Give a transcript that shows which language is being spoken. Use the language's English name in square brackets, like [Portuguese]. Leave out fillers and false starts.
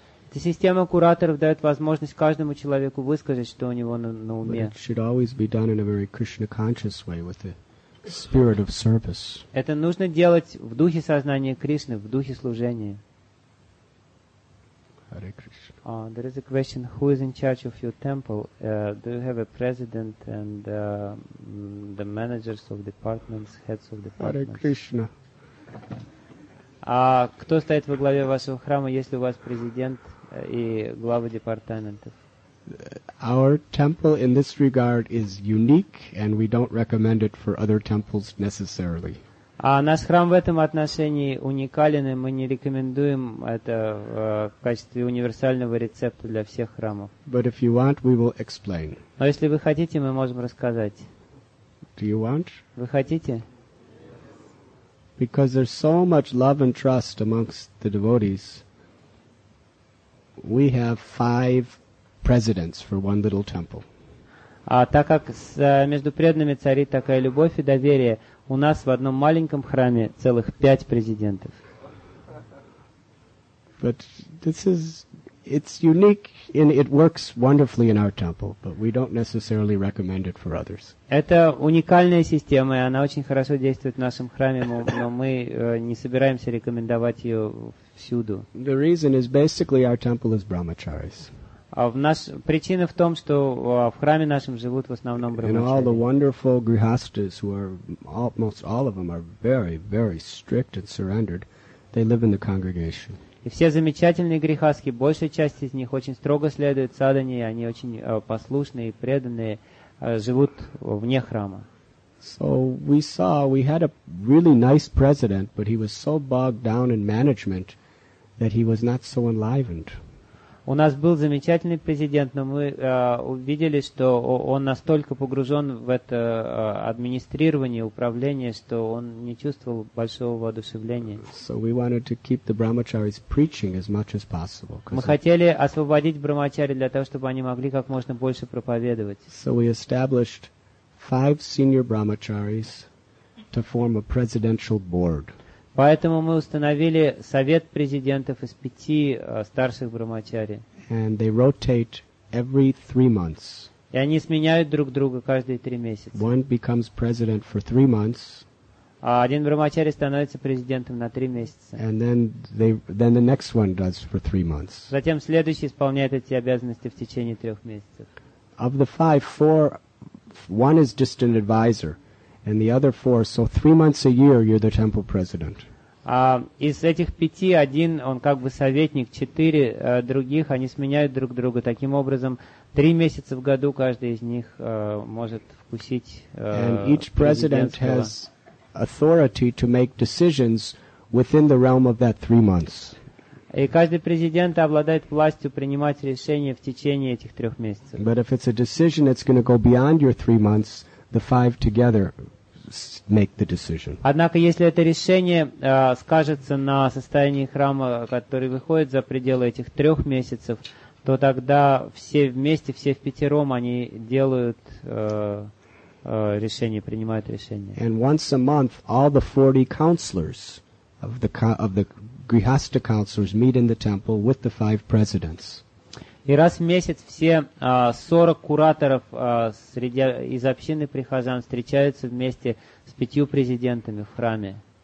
[Russian] Эта система кураторов дает возможность каждому человеку высказать, что у него на уме. [English] But it should always be done in a very Krishna-conscious way, with the spirit of service. [Russian] Это нужно делать в духе сознания Кришны, в духе служения. [Sanskrit] Hare Krishna. [English] There is a question, who is in charge of your temple? Do you have a president and the managers of departments, heads of departments? [Sanskrit] Hare Krishna. [Russian] Кто стоит во главе вашего храма, если у вас президент и главы департаментов? [English] Our temple in this regard is unique, and we don't recommend it for other temples necessarily. [Russian] Наш храм в этом отношении уникален, и мы не рекомендуем это в качестве универсального рецепта для всех храмов. [English] But if you want, we will explain. [Russian] Но если вы хотите, мы можем рассказать. [English] Do you want? [Russian] Вы хотите? [English] Because there's so much love and trust amongst the devotees, we have five presidents for one little temple. [Russian] Так как между преданными царит такая любовь и доверие, у нас в одном маленьком храме целых 5 президентов. [English] But this is, it's unique and it works wonderfully in our temple, but we don't necessarily recommend it for others. [Russian] Это уникальная система, и она очень хорошо действует в нашем храме, но мы не собираемся рекомендовать ее всюду. [English] The reason is basically our temple is brahmacharis. [Russian] Причина в том, что в храме нашем живут в основном брахмачари. [English] And all the wonderful grihasthas, who are almost all of them are very, very strict and surrendered, they live in the congregation. [Russian] И все замечательные грихасхи, большая часть из них очень строго следуют садхане, и они очень послушные и преданные, живут вне храма. [English] So we saw, we had a really nice president, but he was so bogged down in management that he was not so enlivened. [Russian] У нас был замечательный президент, но мы увидели, что он настолько погружен в это администрирование, управление, что он не чувствовал большого воодушевления. [English] So we wanted to keep the brahmacharis preaching as much as possible. [Russian] Мы хотели освободить брахмачари для того, чтобы они могли как можно больше проповедовать. [English] So we established 5 senior brahmacharis to form a presidential board. [Russian] Поэтому мы установили совет президентов из 5 старших брахмачари. [English] And they rotate every 3 months. [Russian] И они сменяют друг друга каждые 3 месяца. [English] One becomes president for 3 months. [Russian] Один брахмачари становится президентом на 3 месяца. [English] And then the next one does for 3 months. [Russian] Затем следующий исполняет эти обязанности в течение 3 месяца. [English] Of the 5, 4, one is just an advisor, and the other 4. So 3 months a year, you're the temple president. [Russian] Из этих 5, один он как бы советник, 4 других они сменяют друг друга. Таким образом, 3 месяца в году каждый из них может вкусить. [English] And each president has authority to make decisions within the realm of that 3 months. [Russian] И каждый президент обладает властью принимать решения в течение этих 3 месяцев. [English] But if it's a decision that's going to go beyond your 3 months, the 5 together make the decision. [Russian] Однако, если это решение скажется на состоянии храма, который выходит за пределы этих 3 месяцев, то тогда все вместе, все впятером, они делают решение, принимают решение. [English] And once a month, all the 40 counselors of the Grihastha counselors meet in the temple with the 5 presidents. [Russian] И раз в месяц все 40 кураторов среди из общины прихожан встречаются вместе с 5 президентами в храме.